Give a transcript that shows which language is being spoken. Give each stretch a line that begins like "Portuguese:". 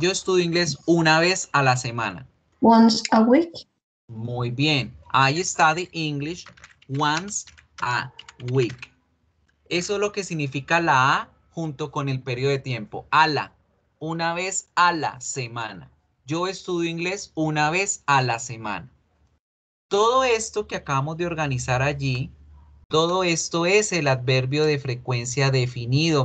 Spanish: Yo estudio inglés una vez a la semana.
English: Once a week.
Spanish: Muy bien.
English: I study English once a week.
Spanish: Eso es lo que significa la A junto con el periodo de tiempo. A la. una vez a la semana. Yo estudio inglés una vez a la semana. Todo esto que acabamos de organizar allí, todo esto es el adverbio de frecuencia definido.